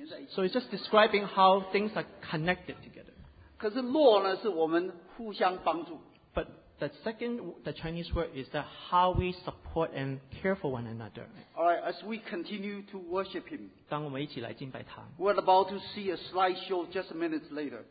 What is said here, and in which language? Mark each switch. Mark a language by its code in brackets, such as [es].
[en] So it's just describing how things are connected together. [zh] 可是落呢, 是我们互相帮助。 [en] But the Chinese word is that how we support and care for one another. Alright, as we continue to worship him, [zh] 当我们一起来敬拜他, [en] we're about to see a slideshow just a minute later.